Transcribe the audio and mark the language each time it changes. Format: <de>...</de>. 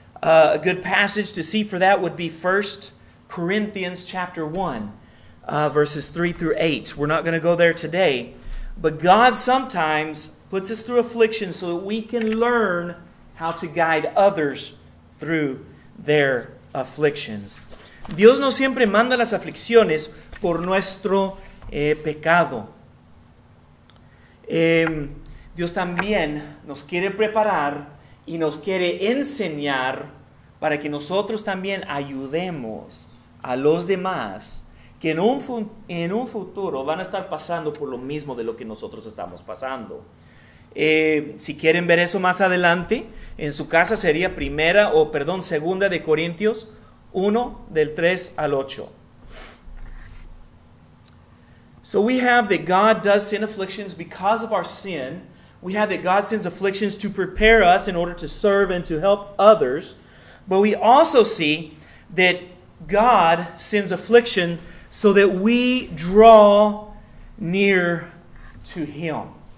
<en>A good passage to see for that would be 1 Corinthians chapter 1, verses 3 through 8. We're not going to go there today. But God sometimes puts us through affliction so that we can learn how to guide others through their afflictions.</en> <es>Dios no siempre manda las aflicciones por nuestro pecado. Dios también nos quiere preparar y nos quiere enseñar para que nosotros también ayudemos a los demás que en un futuro van a estar pasando por lo mismo de lo que nosotros estamos pasando. Si quieren ver eso más adelante, en su casa sería segunda de Corintios 1, del 3 al 8.</es> <en>So we have that God does send afflictions because of our sin. We have that God sends afflictions to prepare us in order to serve and to help others. But we also see that God sends affliction so that we draw near to Him.</en>